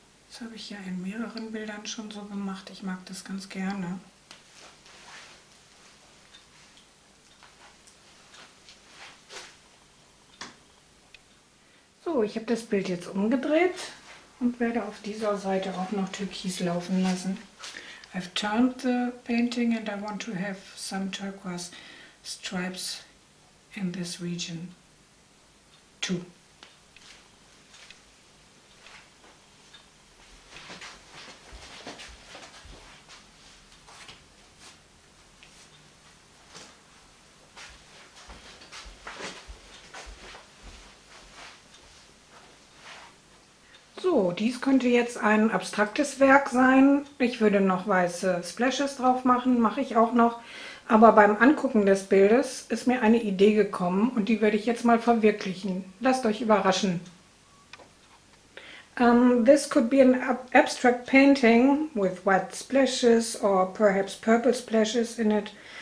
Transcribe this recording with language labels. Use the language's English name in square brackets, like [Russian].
[German] Das habe ich ja in mehreren Bildern schon so gemacht. Ich mag das ganz gerne. Ich habe das Bild jetzt umgedreht und werde auf dieser Seite auch noch Türkis laufen lassen. [English] I've turned the painting and I want to have some turquoise stripes in this region too. [German] Dies könnte jetzt ein abstraktes Werk sein. Ich würde noch weiße Splashes drauf machen, mache ich auch noch. Aber beim Angucken des Bildes ist mir eine Idee gekommen und die werde ich jetzt mal verwirklichen. Lasst euch überraschen. [English] This could be an abstract painting with white splashes or perhaps purple splashes in it.